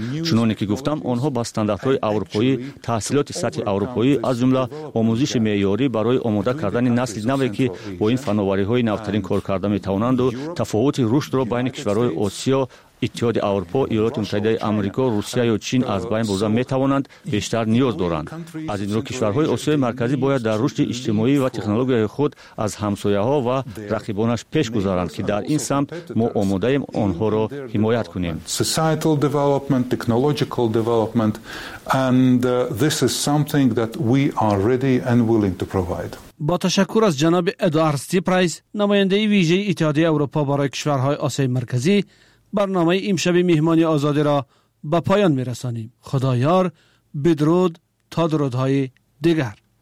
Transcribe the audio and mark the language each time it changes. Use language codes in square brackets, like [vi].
[fa] چنانی که گفتم آنها با استانداردهای اروپایی، تحصیلات سطح اروپایی از جمله آموزش معیاری برای آماده کردن نسل نوی که با این فناوری های نوترین کار کرده میتوانند و تفاوت رشد را بین کشورهای آسیا، اتحاد اروپا، ایالات متحده آمریکا، روسیه یا چین از بین برده میتوانند بیشتر نیاز دارند. از این رو کشورهای آسیای مرکزی باید در رشد اجتماعی و تکنولوژی خود از همسایه‌ها و رقیبانش پیش گذارند که در این سمت ما آماده‌ایم آنها را حمایت کنیم. [en] Societal development, technological development, and this is something that we are ready and willing to provide. [fa] با تشکر از جناب ادوارد سیپرایس، نماینده ویژه اتحاد اروپا برای کشورهای آسیای مرکزی، برنامه امشب مهمانی آزادی را به پایان می رسانیم. خدا یار، بدرود تا درودهای دیگر.